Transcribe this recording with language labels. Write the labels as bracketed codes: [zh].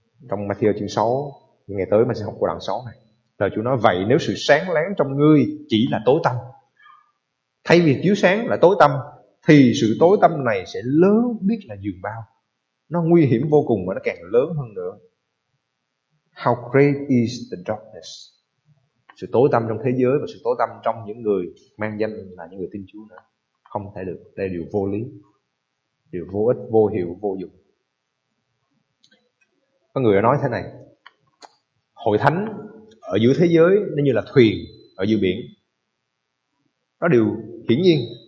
[vi] Trong Matthew chương 6, những ngày tới mình sẽ học qua đoạn 6 này. Lời Chúa nói vậy, nếu sự sáng láng trong ngươi chỉ là tối tăm, thay vì chiếu sáng là tối tăm, thì sự tối tăm này sẽ lớn biết là dường bao. Nó nguy hiểm vô cùng và nó càng lớn hơn nữa. [en] How great is the darkness? [vi] Sự tối tăm trong thế giới và sự tối tăm trong những người mang danh là những người tin Chúa nữa. Không thể được, đây là điều vô lý, điều vô ích, vô hiệu, vô dụng. Có người đã nói thế này: hội thánh ở giữa thế giới nó như là thuyền ở giữa biển. Đó điều hiển nhiên.